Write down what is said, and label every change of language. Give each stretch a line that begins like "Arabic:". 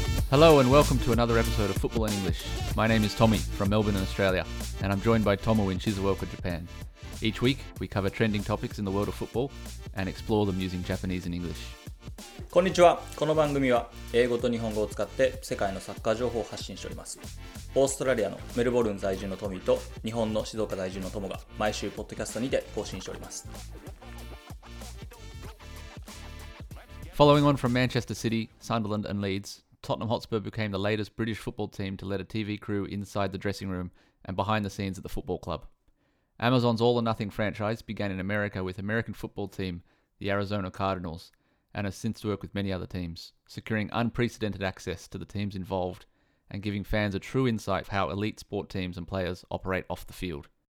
English: Hello and welcome to another episode of Football in English. My name is Tommy from Melbourne in Australia, and I'm joined by Tomo in Shizuoka, Japan. Each week, we cover trending topics in the world of football and explore them using Japanese and English.
Japanese: こんにちは。この番組は英語と日本語を使って世界のサッカー情報を発信しております。オーストラリアのメルボルン在住のトミーと日本の静岡在住のトモが毎週ポッドキャストにて更新しております。
English: Following on from Manchester City, Sunderland and Leeds, Tottenham Hotspur became the latest British football team to let a TV crew inside the dressing room and behind the scenes at the football club. Amazon's All or Nothing franchise began in America with American football team, the Arizona Cardinals, and has since worked with many other teams, securing unprecedented access to the teams involved and giving fans a true insight of how elite sport teams and players operate off the field.